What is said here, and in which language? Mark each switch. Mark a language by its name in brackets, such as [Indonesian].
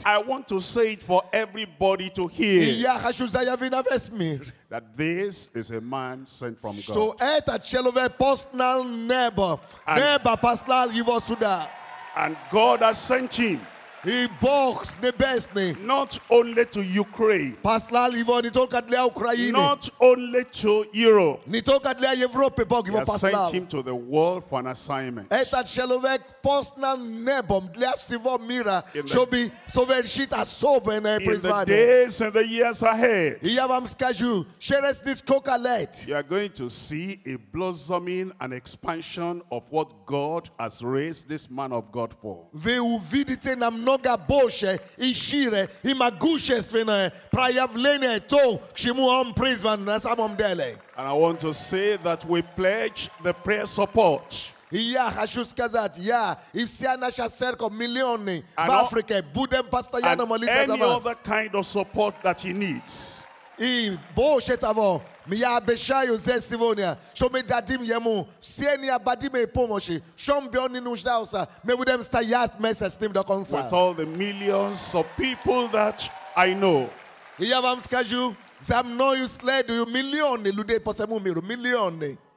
[English] I want to say it for everybody to hear. That this is a man sent from God. And God has sent him. [Russian] И Бог небесный. [English] Not only to Ukraine. [Russian] Послал его не только для Украины. [English] Not only to Europe. [Russian] Не только для Европы Бог его послал. [English] He sent him to the world for an assignment. [Russian] Этот человек послан небом для всего мира, чтобы совершить особенное призвание. [English] In the days and the years ahead. [Russian] И я вам скажу, через [English] this coca light. You are going to see a blossoming and expansion of what God has raised this man of God for. [Russian] Вы увидите на много больше и шире и могущественное проявление то, к чему он призван на самом деле. [English] And I want to say that we pledge the prayer support. [Russian] И я хочу сказать, я и вся наша церковь, миллионы в Африке, будем постоянно молиться за вас. [English] And any other kind of support that he needs. [Russian] И больше того, я обещаю здесь сегодня, что мы дадим ему все необходимые помощи, что он не нуждался, мы будем стоять вместе с ним до конца. [English] With all the millions of people that I know. [Russian] И я вам скажу, за мною следую миллионы людей по всему миру, миллионы.